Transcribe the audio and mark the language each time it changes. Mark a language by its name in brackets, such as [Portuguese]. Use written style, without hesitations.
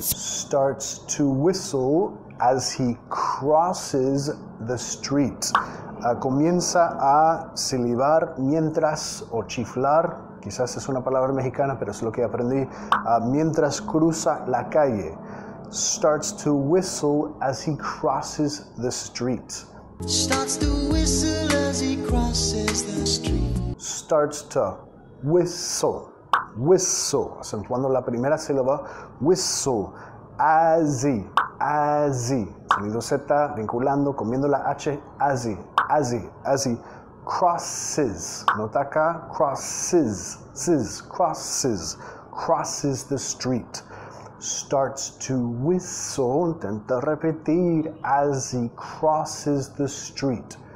[English] Starts to whistle as he crosses the street. [Spanish] Comienza a silbar mientras, o chiflar, quizás es una palabra mexicana, pero es lo que aprendí, mientras cruza la calle. [English] Starts to whistle as he crosses the street. Starts to whistle as he crosses the street. Starts to whistle, whistle, [Spanish] acentuando la primera sílaba, [English] whistle, azzy, azzy, [Spanish] sonido Z, vinculando, comiendo la H, [English] azzy, azzy, azzy, crosses, [Spanish] nota acá, [English] crosses, crosses the street, starts to whistle, [Spanish] intenta repetir, [English] as he crosses the street.